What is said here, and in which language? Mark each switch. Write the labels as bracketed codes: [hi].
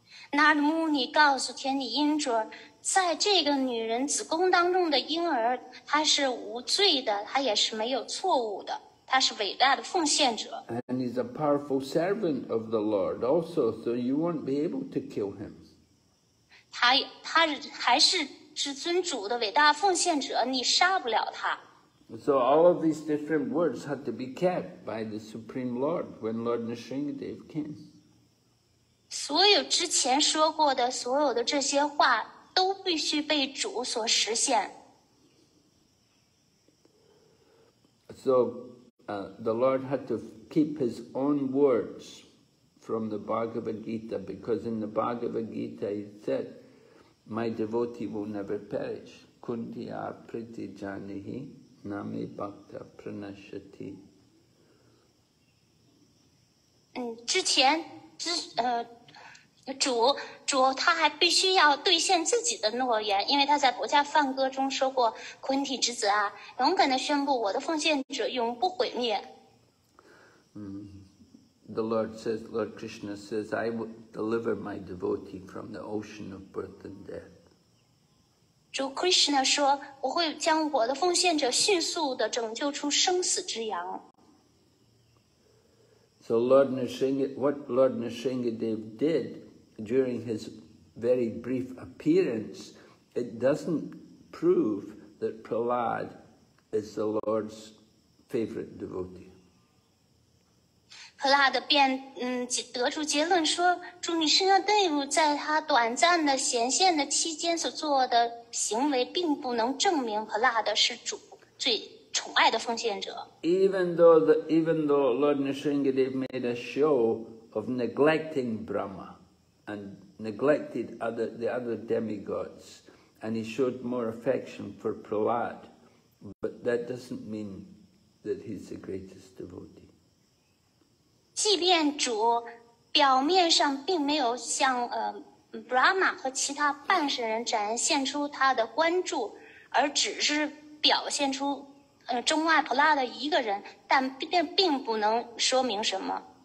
[zh] Narada Muni 告诉天帝 Indra, 在这个女人子宫当中的婴儿，他是无罪的，他也是没有错误的，他是伟大的奉献者。 [en] And he's a powerful servant of the Lord also, so you won't be able to kill him. [zh] 他还是至尊主的伟大奉献者，你杀不了他。 [en] So all of these different words had to be kept by the Supreme Lord when Lord Nrisimhadev came. [zh] 所有之前说过的所有的这些话都必须被主所实现。 [en] So, the Lord had to keep his own words from the Bhagavad Gita because in the Bhagavad Gita he said,My devotee will never perish. [sa] Kunti arpriti janihi nami bhakta pranashati. [zh] 之前主他还必须要兑现自己的诺言，因为他在《薄伽梵歌》中说过，昆体之子啊，勇敢地宣布我的奉献者永不毁灭。 [en] The Lord says, Lord Krishna says, I will deliver my devotee from the ocean of birth and death. [zh] 主 Krishna 说，我会将我的奉献者迅速地拯救出生死之洋。 [en] So Lord Nrisimhadev, what Lord Nrisimhadev did during his very brief appearance, it doesn't prove that Prahlad is the Lord's favorite devotee. [zh] 普拉德便得出结论说，主女身上内部在他短暂的显现的期间所做的行为，并不能证明普拉德是主最宠爱的奉献者。 [en] Even though Lord Nrisimhadev made a show of neglecting Brahma and neglected the other demigods, and he showed more affection for Prahlad, but that doesn't mean that he's the greatest devotee. [zh] 即便主表面上并没有向Brahma 和其他半神人展现出他的关注，而只是表现出钟爱普拉的一个人，但并不能说明什么。